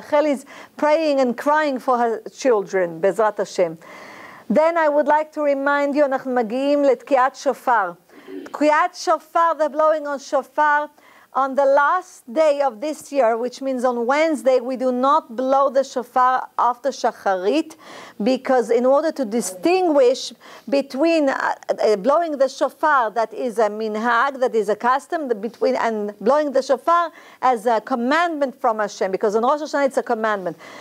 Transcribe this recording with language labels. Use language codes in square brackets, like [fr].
[en] Rachel is praying and crying for her children, Bezrat Hashem. Then I would like to remind you, [he] אנחנו מגיעים לתקיעת שופר. [en] תקיעת שופר, the blowing on shofar, on the last day of this year, which means on Wednesday, we do not blow the shofar after shacharit, because in order to distinguish between blowing the shofar, that is a minhag, that is a custom, between and blowing the shofar as a commandment from Hashem, because on Rosh Hashanah it's a commandment.